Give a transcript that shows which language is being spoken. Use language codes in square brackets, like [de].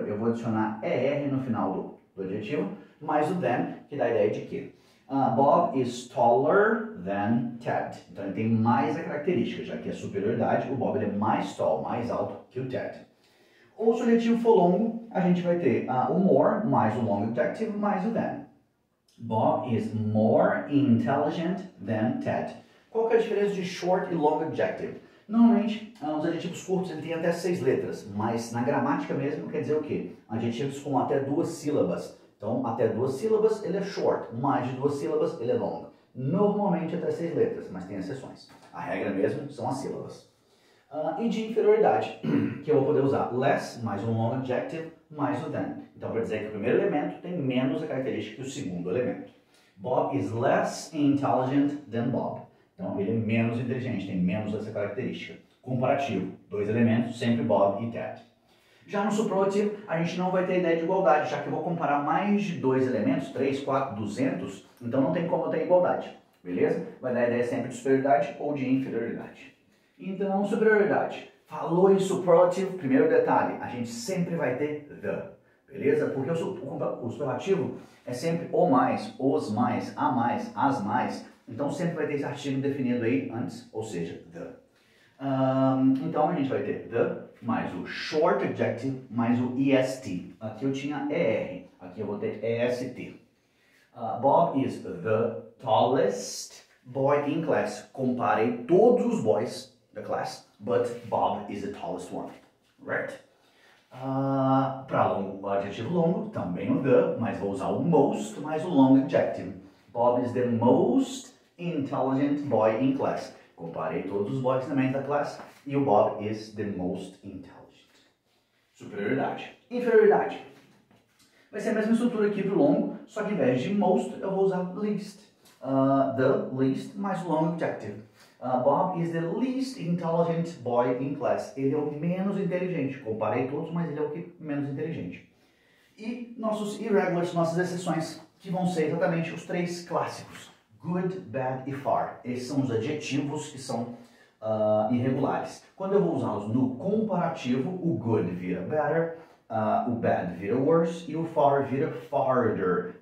[pt] Eu vou adicionar er no final do adjetivo, mais o than, que dá a ideia de que [en] Bob is taller than Ted. [pt] Então, ele tem mais a característica, já que é superioridade, o Bob é mais tall, mais alto que o Ted. Ou se o adjetivo for longo, a gente vai ter o more, mais o long adjective, mais o than. [en] Bob is more intelligent than Ted. [pt] Qual que é a diferença de short e long adjective? Normalmente, os adjetivos curtos têm até seis letras, mas na gramática mesmo quer dizer o quê? Adjetivos com até duas sílabas. Então, até duas sílabas, ele é short. Mais de duas sílabas, ele é long. Normalmente, até seis letras, mas tem exceções. A regra mesmo são as sílabas. E de inferioridade, que eu vou poder usar less, mais um long adjective, mais o than. Então, para dizer que o primeiro elemento tem menos a característica que o segundo elemento. [en] Bob is less intelligent than Bob. [pt] Então, ele é menos inteligente, tem menos essa característica. Comparativo, dois elementos, sempre Bob e Ted. Já no superlativo, a gente não vai ter ideia de igualdade, já que eu vou comparar mais de dois elementos, 3, 4, 200, então não tem como eu ter igualdade, beleza? Vai dar a ideia sempre de superioridade ou de inferioridade. Então, superioridade. Falou em superlativo, primeiro detalhe, a gente sempre vai ter the, beleza? Porque o superlativo é sempre o mais, os mais, as mais. Então, sempre vai ter esse artigo definido aí antes, ou seja, the. Então, a gente vai ter the mais o short adjective mais o est. Aqui eu tinha er, aqui eu vou ter est. [en] Bob is the tallest boy in class. [pt] Comparei todos os boys da class, [en] but Bob is the tallest one. Right? [pt] Para o adjetivo longo, também o the, mas vou usar o most mais o long adjective. [en] Bob is the most intelligent boy in class. [pt] Comparei todos os boys também da class e o [en] Bob is the most intelligent. [pt] Superioridade. Inferioridade. Vai ser a mesma estrutura aqui para o longo, só que em vez de most, eu vou usar least. The least mais long adjective. [en] Bob is the least intelligent boy in class. [pt] Ele é o menos inteligente. Comparei todos, mas ele é o que menos inteligente. E nossos irregulars, nossas exceções, que vão ser exatamente os três clássicos. Good, bad e far. Esses são os adjetivos que são irregulares. Quando eu vou usá-los no comparativo, o good vira better, o bad vira worse e o far vira farther.